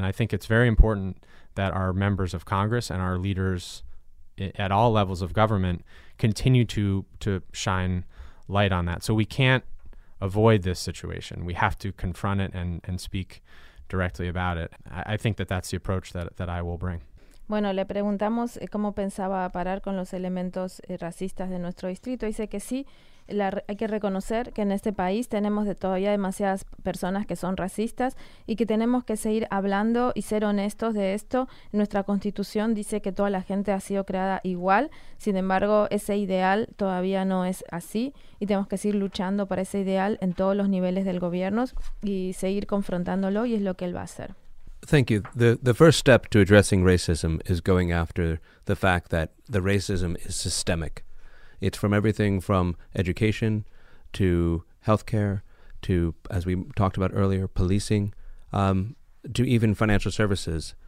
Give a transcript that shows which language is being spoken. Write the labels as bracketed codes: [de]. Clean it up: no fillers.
[en] And I think it's very important that our members of Congress and our leaders at all levels of government continue to shine light on that. So we can't avoid this situation. We have to confront it and speak directly about it. I think that's the approach that I will bring. [es] Bueno, le preguntamos cómo pensaba parar con los elementos racistas de nuestro distrito. Dice que sí, hay que reconocer que en este país tenemos todavía demasiadas personas que son racistas y que tenemos que seguir hablando y ser honestos de esto. Nuestra Constitución dice que toda la gente ha sido creada igual, sin embargo, ese ideal todavía no es así y tenemos que seguir luchando para ese ideal en todos los niveles del gobierno y seguir confrontándolo, y es lo que él va a hacer. [en] Thank you. The first step to addressing racism is going after the fact that the racism is systemic. It's from everything from education to healthcare to, as we talked about earlier, policing, to even financial services.